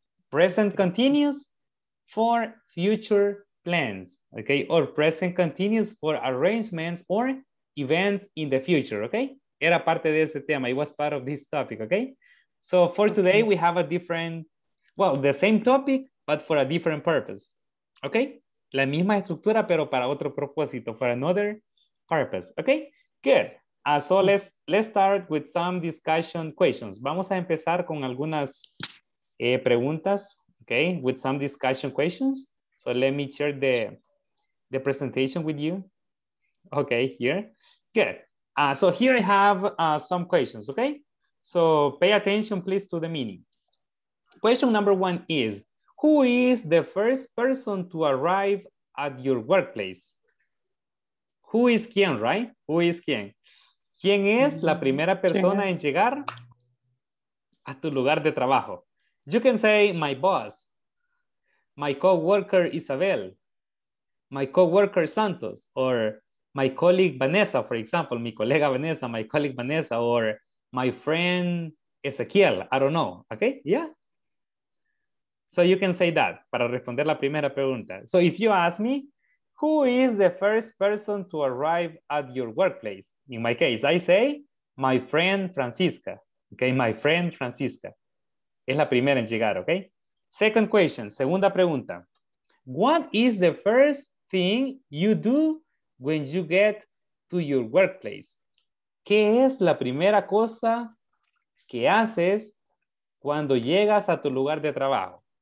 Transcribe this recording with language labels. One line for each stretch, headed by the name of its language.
English: Present continuous for future plans, okay? Or present continuous for arrangements or events in the future, okay?
Spanish: Era parte de ese tema,
English: it was part of this topic, okay? So for today, we have a different, well, the same topic, but for a different purpose. ¿Ok?
Spanish: La misma estructura, pero para otro propósito,
English: for another purpose. ¿Ok? Good. So let's start with some discussion questions.
Spanish: Vamos a empezar con algunas preguntas, ¿ok?
English: With some discussion questions. So let me share the presentation with you. ¿Ok? Here. Good. So here I have some questions, ¿ok? So pay attention, please, to the meaning. Question number one is, who is the first person to arrive at your workplace? Who is quién, right? Who is quién?
Spanish: ¿Quién es la primera persona en llegar a tu lugar de trabajo?
English: You can say my boss, my co-worker Isabel, my co-worker Santos, or my colleague Vanessa, for example,
Spanish: mi colega Vanessa,
English: my colleague Vanessa, or my friend Ezequiel, I don't know, okay, yeah? So you can say that,
Spanish: para responder la primera pregunta.
English: So if you ask me, who is the first person to arrive at your workplace? In my case, I say, my friend Francisca. Okay, my friend Francisca.
Spanish: Es la primera en llegar, okay?
English: Second question,
Spanish: segunda pregunta.
English: What is the first thing you do when you get to your workplace?
Spanish: ¿Qué es la primera cosa que haces cuando llegas a tu lugar de trabajo?